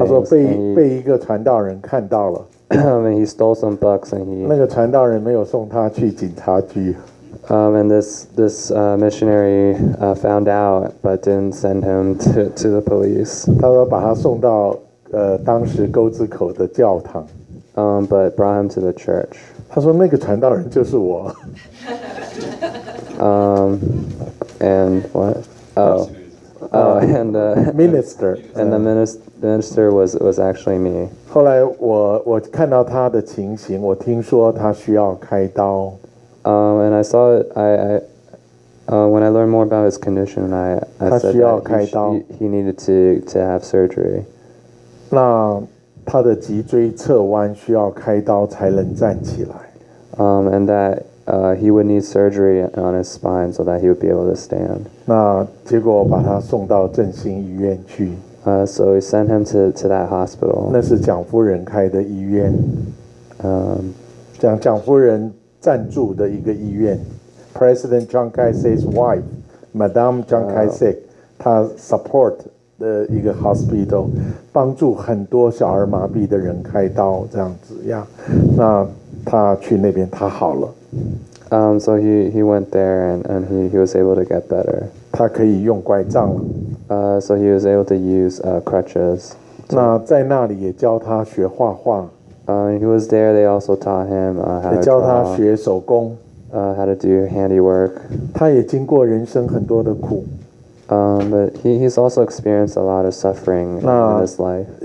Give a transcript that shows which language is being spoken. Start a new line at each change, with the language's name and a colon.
Chinese: 他说被一个传道人看到了。
English: He stole some books and he
Chinese: 那个传道人没有送他去警察局。
English: And this missionary found out but didn't send him to the police.
Chinese: 他说把他送到当时沟子口的教堂。
English: But brought him to the church.
Chinese: 他说那个传道人就是我。
English: And what? Oh, and the minister. And the minister was actually me.
Chinese: 后来我看到他的情形，我听说他需要开刀。
English: And I saw when I learned more about his condition, I said
Chinese: 他需要开刀。
English: He needed to have surgery.
Chinese: 那他的脊椎侧弯需要开刀才能站起来。
English: And that he would need surgery on his spine so that he would be able to stand.
Chinese: 那结果把他送到振兴医院去。
English: So he sent him to that hospital.
Chinese: 那是蒋夫人开的医院。蒋夫人赞助的一个医院。
English: President Chiang Kai-shek's wife, Madame Chiang Kai-shek,
Chinese: 她
English: support.
Chinese: 的一个 hospital， 帮助很多小儿麻痹的人开刀这样子呀。那他去那边，他好了。
English: So he went there and he was able to get better.
Chinese: 他可以用拐杖了。
English: So he was able to use crutches.
Chinese: 那在那里也教他学画画。
English: He was there. They also taught him how to draw.
Chinese: 也教他学手工。
English: How to do handiwork.
Chinese: 他也经过人生很多的苦。
English: But he's also experienced a lot of suffering in his life.